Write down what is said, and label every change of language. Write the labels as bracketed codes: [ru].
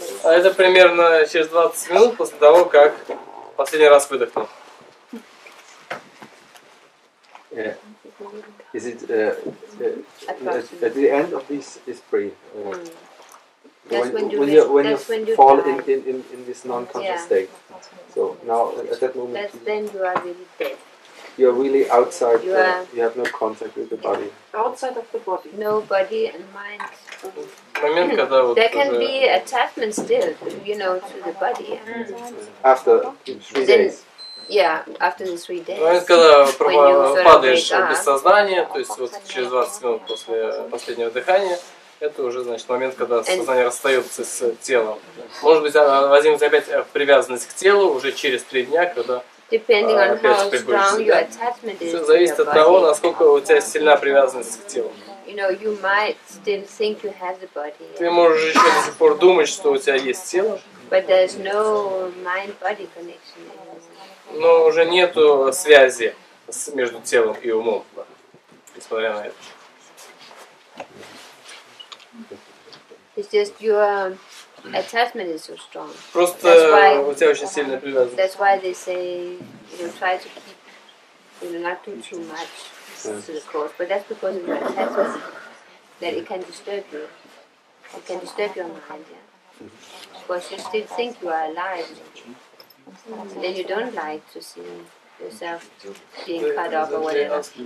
[ru] А это примерно через 20 минут после того, как последний раз выдохнул. [en] Yeah. Is it at the end of this breath? When you fall in this non-conscious state. So now at that moment. That's then you are really dead. You are really outside. You have no contact with the body. Outside of the body. No body and mind. [ru] Момент, когда вот [en] there can be attachment still, you know, to the body. Mm-hmm. After 3 days. Yeah, after the 3 days. [ru] Момент, когда падаешь без сознания, то есть вот через 20 минут после последнего дыхания, это уже значит момент, когда сознание расстается с телом. Может быть, возьмите опять привязанность к телу уже через 3 дня, когда [en] depending on how strong your attachment is. [ru] Все зависит от того, насколько у тебя сильна привязанность к телу. [en] You know, you might still think you have the body. [ru] Ты можешь еще до сих пор думать, что у тебя есть тело. [en] But there's no mind-body connection. [ru] Но уже нету связи между телом и умом, несмотря на это. [en] It's just your attachment is so strong. [ru] Просто [en] why, [ru] у тебя очень сильная привязанность. [en] That's why they say you try to keep, you know, not too much to the cause, but that's because of your attachment that it can disturb you. It can disturb your mind, yeah. Because you still think you are alive. Then you don't like to see yourself being cut off or whatever.